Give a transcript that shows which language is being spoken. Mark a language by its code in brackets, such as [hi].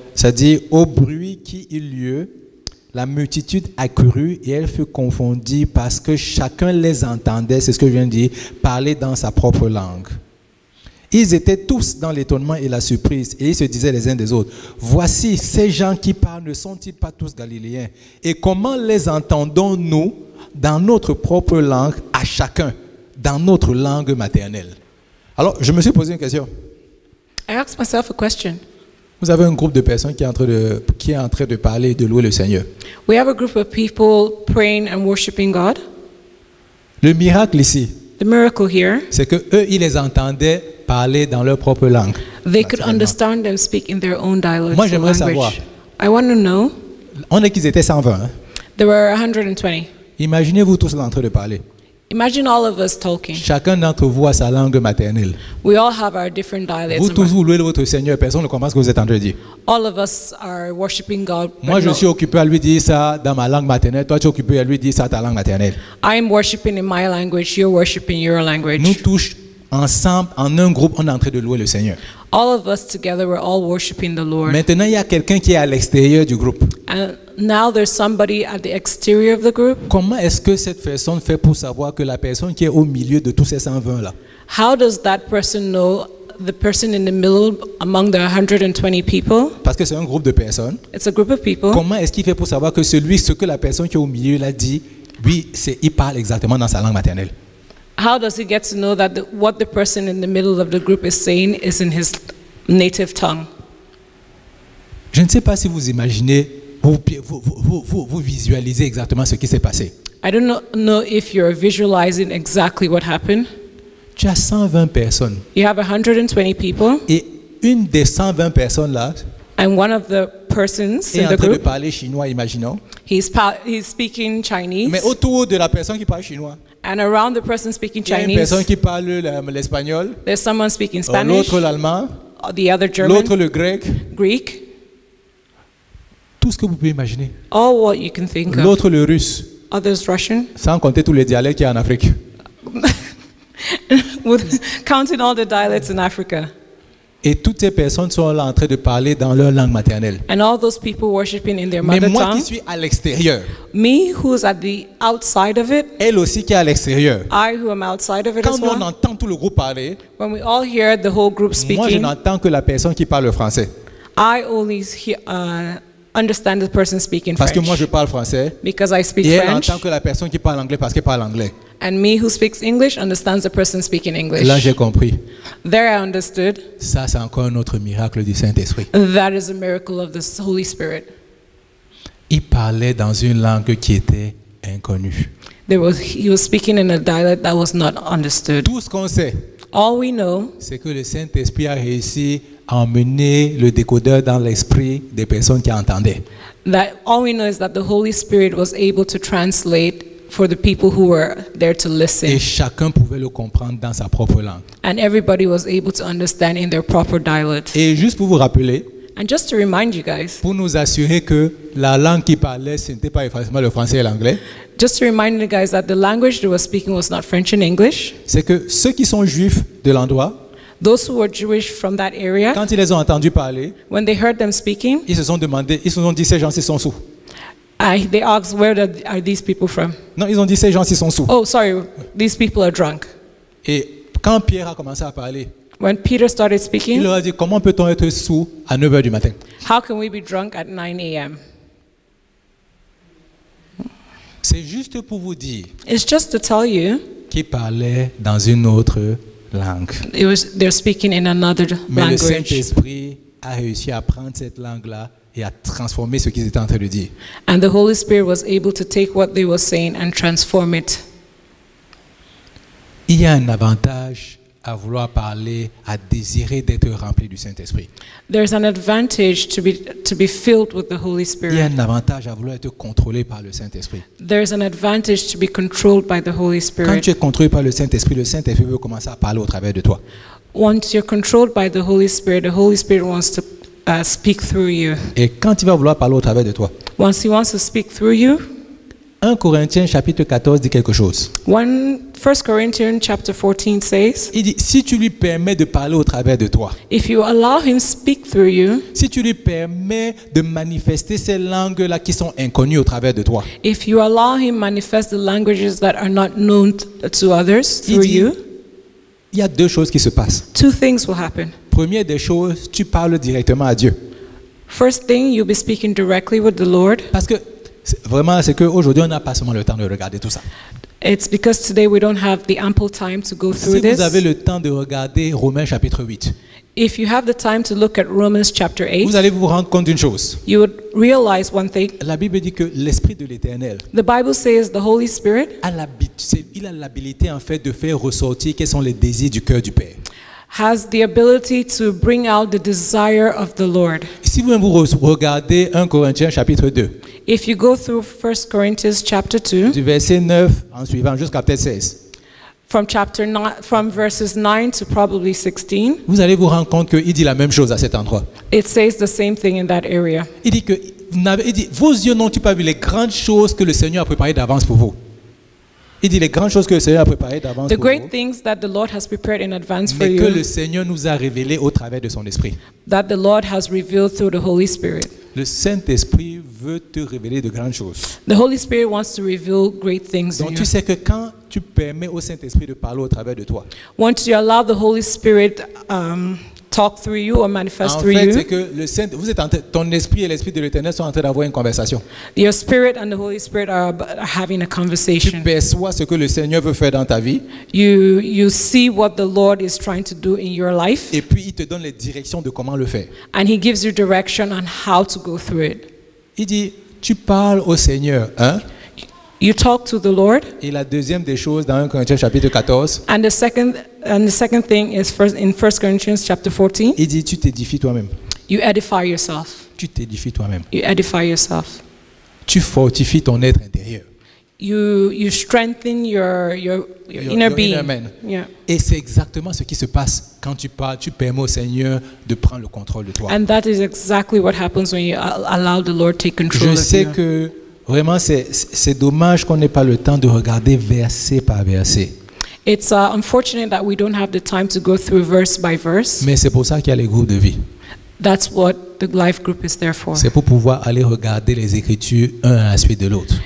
[fr] Ça dit, « Au bruit qui eut lieu, la multitude accourut et elle fut confondue parce que chacun les entendait, c'est ce que je viens de dire, parler dans sa propre langue. » Ils étaient tous dans l'étonnement et la surprise, et ils se disaient les uns des autres, « Voici, ces gens qui parlent ne sont-ils pas tous galiléens? Et comment les entendons-nous dans notre propre langue à chacun, dans notre langue maternelle ?» Alors, je me suis posé une question. [en] I asked myself a question. [fr] Vous avez un groupe de personnes qui est en train de parler et de louer le Seigneur. [en] We have a group of people praying and worshiping God. [fr] Le miracle ici, [en] the miracle here, [fr] c'est qu'eux, ils les entendaient parler dans leur propre langue. [en] They could understand them speak in their own dialect. [fr] Moi, j'aimerais savoir. [en] I want to know. [fr] On est qu'ils étaient 120. [en] There were 120. [fr] Imaginez-vous tous en train de parler. [en] Imagine all of us talking. [fr] Chacun d'entre vous a sa langue maternelle. [en] We all have our different dialects. [fr] Vous tous, vous louez votre Seigneur. Personne ne comprend ce que vous êtes en train de dire. [en] All of us are worshiping God. [fr] Moi, je suis occupé à lui dire ça dans ma langue maternelle. Toi, tu es occupé à lui dire ça dans ta langue maternelle. [en] I am worshiping in my language. You're worshiping your language. [fr] Nous tous, ensemble, en un groupe, on est en train de louer le Seigneur. [en] All of us together, we're all worshiping the Lord. [fr] Maintenant, il y a quelqu'un qui est à l'extérieur du groupe. [en] And now there's somebody at the exterior of the group. [fr] Comment est-ce que cette personne fait pour savoir que la personne qui est au milieu de tous ces 120 là? [en] How does that person know the person in the middle among the 120 people? [fr] Parce que c'est un groupe de personnes. [en] It's a group of people. [fr] Comment est-ce qu'il fait pour savoir que celui, ce que la personne qui est au milieu l'a dit, lui, c'est, il parle exactement dans sa langue maternelle? [en] How does he get to know that what the person in the middle of the group is saying is in his native tongue? [fr] Je ne sais pas si vous imaginez, vous visualisez exactement ce qui s'est passé. [en] I don't know if you're visualizing exactly what happened. [fr] Tu as 120 personnes. [en] You have 120 people. [fr] Et une des 120 personnes là. [en] And one of the persons in the group. [fr] Est en train de parler chinois, imaginons. [en] He's speaking Chinese. [fr] Mais autour de la personne qui parle chinois. [en] And around the person speaking Chinese. [fr] Il y a une personne qui parle l'espagnol. [en] There's someone speaking Spanish. [fr] L'autre l'allemand. [en] The other German. [fr] L'autre le grec. [en] Greek. [fr] Tout ce que vous pouvez imaginer. [en] All what you can think. [fr] L'autre [en] of. [fr] Le russe. [en] Others Russian. [fr] Sans compter tous les dialectes qu'il y a en Afrique. [en] With counting all the dialects in Africa. [fr] Et toutes ces personnes sont là en train de parler dans leur langue maternelle. [en] And all those people worshiping in their mother tongue. [fr] Mais moi qui suis à l'extérieur. [en] Me who is at the outside of it. [fr] Elle aussi qui est à l'extérieur. [en] I who am outside of it [fr] quand [en] as well. [fr] Quand on entend tout le groupe parler. [en] When we all hear the whole group speaking. [fr] Moi je n'entends que la personne qui parle français. [en] I only understand the person speaking French. [fr] Parce que moi je parle français. [en] Because I speak [fr] et elle [en] French. [fr] Et n'entend que la personne qui parle anglais parce qu'elle parle anglais. [en] And me who speaks English understands the person speaking English. [fr] Là, j'ai compris. [en] There I understood. [fr] Ça, c'est encore un autre miracle du Saint-Esprit. [en] That is a miracle of the Holy Spirit. [fr] Il parlait dans une langue qui était inconnue. [en] He was speaking in a dialect that was not understood. [fr] Tout ce qu'on sait, [en] all we know, [fr] c'est que le Saint-Esprit a réussi à emmener le décodeur dans l'esprit des personnes qui entendaient. [en] That all we know is that the Holy Spirit was able to translate for the people who were there to listen. [fr] Et chacun pouvait le comprendre dans sa propre langue. [en] And everybody was able to understand in their proper dialect. [fr] Et juste pour vous rappeler, [en] and just to remind you guys, [fr] pour nous assurer que la langue qui parlait, ce n'était pas effectivement le français et l'anglais, [en] just to remind you guys that the language they were speaking was not French and English, [fr] c'est que ceux qui sont juifs de l'endroit, [en] those who were Jewish from that area, [fr] quand ils les ont entendu parler, [en] when they heard them speaking, [fr] ils se sont demandé, ils se sont dit, ces gens, ils sont sous. [en] They asked, where are these people from? [fr] Non, ils ont dit, ces gens, ils sont sous. [en] Oh, sorry, these people are drunk. [fr] Et quand Pierre a commencé à parler, [en] when Peter started speaking, [fr] il leur a dit, comment peut-on être sous à 9h du matin? [en] How can we be drunk at 9 a.m.? [fr] C'est juste pour vous dire. [en] It's just to tell you. [fr] Qui parlait dans une autre langue. [en] It was, they're speaking in another [fr] Mais [en] language. [fr] Mais le Saint-Esprit a réussi à prendre cette langue-là et à transformer ce qu'ils étaient en train de dire. [en] And the Holy Spirit was able to take what they were saying and transform it. [fr] Il y a un avantage à vouloir parler, à désirer d'être rempli du Saint-Esprit. [en] There's an advantage to be filled with the Holy Spirit. [fr] Il y a un avantage à vouloir être contrôlé par le Saint-Esprit. [en] There's an advantage to be controlled by the Holy Spirit. [fr] Quand tu es contrôlé par le Saint-Esprit veut commencer à parler au travers de toi. [en] Once you're controlled by the Holy Spirit wants to speak through you. [fr] Et quand il va vouloir parler au travers de toi. [en] Once he wants to speak through you. [fr] 1 Corinthiens chapitre 14 dit quelque chose. [en] 1 Corinthians chapter 14 says. [fr] Il dit si tu lui permets de parler au travers de toi. [en] If you allow him speak through you. [fr] Si tu lui permets de manifester ces langues là qui sont inconnues au travers de toi. [en] If you allow him manifest the languages that are not known to others through you. [fr] Il y a deux choses qui se passent. [en] Two things will happen. [fr] Première des choses, tu parles directement à Dieu. [en] First thing, you'll be speaking directly with the Lord. [fr] Parce que vraiment, c'est qu'aujourd'hui, on n'a pas seulement le temps de regarder tout ça. [en] It's because today we don't have the ample time to go through this. [fr] Si vous avez le temps de regarder Romains chapitre 8. [en] If you have the time to look at Romans chapter 8. [fr] Vous allez vous rendre compte d'une chose. [en] You would realize one thing. [fr] La Bible dit que l'Esprit de l'Éternel. [en] The Bible says the Holy Spirit. [fr] Il a l'habilité en fait de faire ressortir quels sont les désirs du cœur du Père. [en] Has the ability to bring out the desire of the Lord. [fr] Si vous regardez 1 Corinthiens chapitre 2. [en] If you go through 1 Corinthians chapter 2. [fr] Du verset 9 en suivant jusqu'à peut-être 16. [en] From verses 9 to probably 16. [fr] Vous allez vous rendre compte qu'il dit la même chose à cet endroit. [en] It says the same thing in that area. [fr] Il dit, vos yeux n'ont-ils pas vu les grandes choses que le Seigneur a préparées d'avance pour vous? Il dit les grandes choses que le Seigneur a préparées d'avance [en] the [fr] pour [en] great [fr] vous. [en] Things that the Lord has prepared in advance for [fr] mais [en] you. [fr] Mais que le Seigneur nous a révélées au travers de son Esprit. [en] That the Lord has revealed through the Holy Spirit. [fr] Le Saint-Esprit veut te révéler de grandes choses. [en] The Holy Spirit wants to reveal great things. [fr] Donc [en] in [fr] tu [en] you. [fr] Sais que quand tu permets au Saint-Esprit de parler au travers de toi. [en] Once you allow the Holy Spirit talk through you or manifest [fr] en [en] through [fr] fait, [en] you. [fr] En fait, c'est que le Saint, vous êtes en ton esprit et l'esprit de l'Éternel sont en train d'avoir une conversation. [en] Your spirit and the Holy Spirit are having a conversation. [fr] Tu perçois ce que le Seigneur veut faire dans ta vie. [en] You see what the Lord is trying to do in your life. [fr] Et puis il te donne les directions de comment le faire. [en] And he gives you direction on how to go through it. [fr] Il dit, tu parles au Seigneur, hein? [en] You talk to the Lord. [fr] Et la deuxième des choses dans 1 Corinthiens chapitre 14. [en] And the second thing is first in 1 Corinthians chapter 14. [fr] Il dit tu t'édifies toi-même. [en] You edify yourself. [fr] Tu t'édifies toi-même. [en] You edify yourself. [fr] Tu fortifies ton être intérieur. [en] You strengthen your inner being. Inner man. Yeah. [fr] Et c'est exactement ce qui se passe quand tu parles, tu permets au Seigneur de prendre le contrôle de toi. [en] And that is exactly what happens when you allow the Lord take control [fr] Je [en] of you. [fr] Je sais que vraiment, c'est dommage qu'on n'ait pas le temps de regarder verset par verset. [en] It's unfortunate that we don't have the time to go through verse by verse. [fr] Mais c'est pour ça qu'il y a les groupes de vie. [en] That's what the life group is there for. [fr] C'est pour pouvoir aller regarder les écritures un à la suite de l'autre.